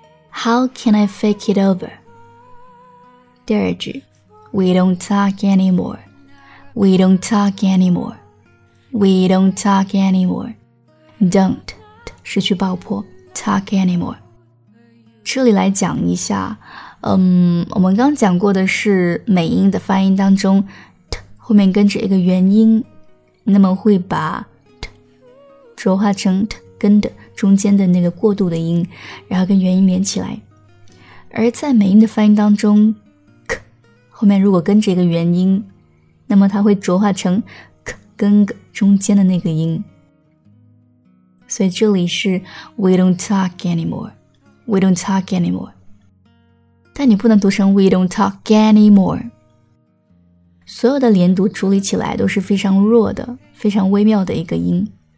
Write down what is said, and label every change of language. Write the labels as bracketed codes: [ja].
[en] How can I fake it over? [zh] 第二句 [en] We don't talk anymore. We don't talk anymoreWe don't talk anymore. Don't [zh] 失去爆破 [en] talk anymore. [zh] 这里来讲一下，我们刚讲过的是美音的发音当中 t 后面跟着一个元音，那么会把 t 浊化成 t 跟的中间的那个过渡的音，然后跟元音连起来。而在美音的发音当中 k 后面如果跟着一个元音，那么它会浊化成。跟中间的那个音，所以这里是 [en] We don't talk anymore. We don't talk anymore. [zh] 但你不能读成 [en] We don't talk anymore. [zh] 所有的连读处理起来都是非常弱的，非常微妙的一个音。